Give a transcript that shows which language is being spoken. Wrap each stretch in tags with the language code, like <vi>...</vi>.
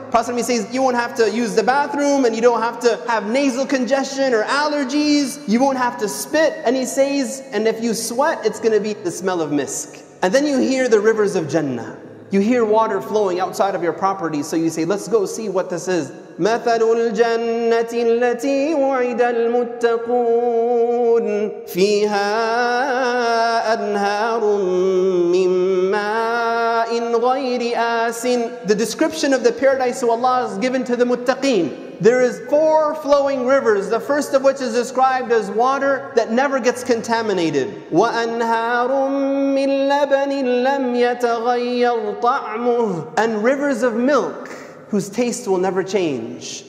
<en>Prophet says, you won't have to use the bathroom, and you don't have to have nasal congestion or allergies. You won't have to spit. And he says, and if you sweat, it's going to be the smell of misk. And then you hear the rivers of Jannah. You hear water flowing outside of your property. So you say, let's go see what this is.</en> <ar>مثل الجنة التي وعد المتقون فيها أنهار من ماء غير آسن.</ar> <en>The description of the paradise of Allah is given to the muttaqeen. There is four flowing rivers, the first of which is described as water that never gets contaminated.</en> <ar>وَأَنْهَارٌ مِّن لَبَنٍ لَمْ يَتَغَيَّرْ طَعْمُهُ.</ar> <en>And rivers of milk whose taste will never change.</en>